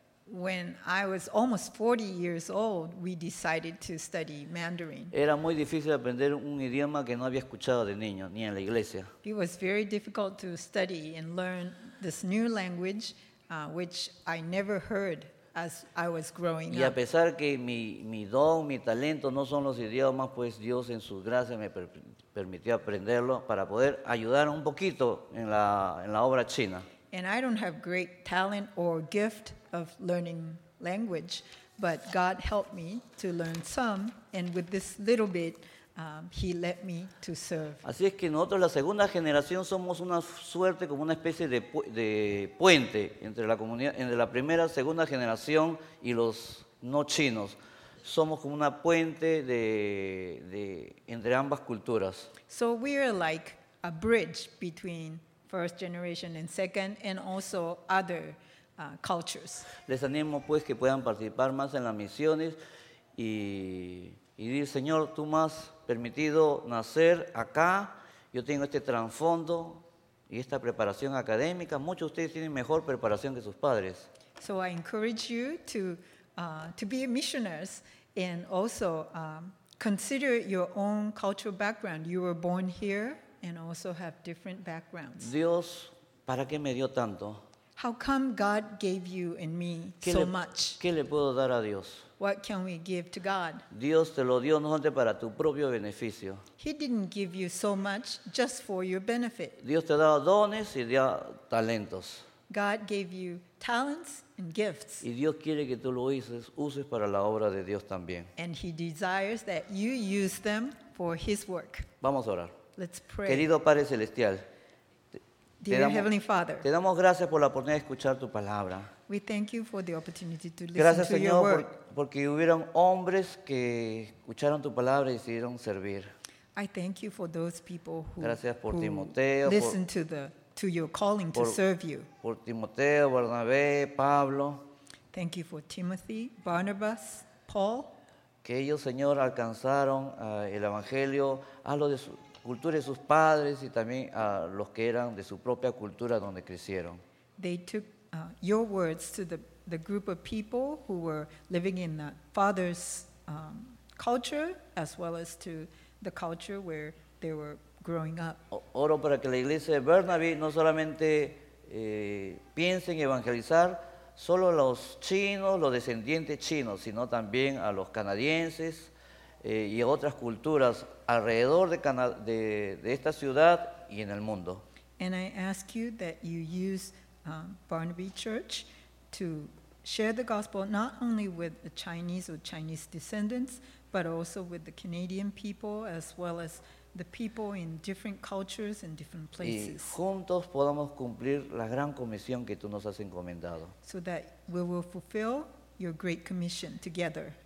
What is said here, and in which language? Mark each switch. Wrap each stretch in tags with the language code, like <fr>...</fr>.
<en>When I was almost 40 years old, we decided to study Mandarin.</en> <es>Era muy difícil aprender un idioma que no había escuchado de niño, ni en la iglesia.</es> <en>It was very difficult to study and learn this new language, which I never heard as I was growing up.</en> <es>Y a pesar que mi don, mi talento no son los idiomas, pues Dios en su gracia me permitió aprenderlo para poder ayudar un poquito en la obra china.</es> <en>And I don't have great talent or gift of learning language, but God helped me to learn some, and with this little bit, He led me to serve.</en> <es>Así es que nosotros, la segunda generación, somos una suerte, como una especie de puente entre la comunidad, entre la primera, segunda generación y los no chinos. Somos como una puente de entre ambas culturas.</es> <en>So we are like a bridge between first generation and second, and also other cultures.</en> <es>Les animo pues que puedan participar más en las misiones y decir, Señor, tú me has permitido nacer acá, yo tengo este trasfondo y esta preparación académica. Muchos de ustedes tienen mejor preparación que sus padres.</es> <en>So I encourage you to be missionaries and also consider your own cultural background. You were born here and also have different backgrounds.</en> <es>Dios, ¿para qué me dio tanto?</es> <en>How come God gave you and me so much?</en> <es>¿Qué le puedo dar a Dios?</es> <en>What can we give to God?</en> <es>Dios te lo dio no solamente para tu propio beneficio.</es> <en>He didn't give you so much just for your benefit.</en> <es>Dios te ha dado dones y te ha dado talentos.</es> <en>God gave you talents and gifts.</en> <es>Y Dios quiere que tú lo uses para la obra de Dios también.</es> <en>And He desires that you use them for His work.</en> <es>Vamos a orar.</es> <en>Let's pray.</en> <es>Querido Padre Celestial, te damos gracias por la oportunidad de escuchar tu palabra.</es> <en>We thank you for the opportunity to listen</en> <es>gracias,</es> <en>to</en> <es>Señor,</es> <en>your word.</en> <es>Porque hubieron hombres que escucharon tu palabra y decidieron servir.</es> <en>I thank you for those people who,</en> <es>gracias por Timoteo,</es> <en>to your calling to serve you.</en> <es>Por Timoteo, Bernabé, Pablo.</es> <en>Thank you for Timothy, Barnabas, Paul.</en> <es>Que ellos, Señor, alcanzaron el evangelio a lo de su cultura de sus padres y también a los que eran de su propia cultura donde crecieron.</es> <en>They took your words to the group of people who were living in the father's culture as well as to the culture where they were growing up.</en> <es>Oro para que la iglesia de Bernabé no solamente piense en evangelizar solo a los chinos, los descendientes chinos, sino también a los canadienses y otras culturas alrededor de esta ciudad y en el mundo.</es> <en>And I ask you that you use Barnaby Church to share the gospel not only with the Chinese or Chinese descendants, but also with the Canadian people as well as the people in different cultures and different places.</en> <es>Y juntos podamos cumplir la gran comisión que tú nos has encomendado.</es> <en>So that we will fulfill your great commission together.</en>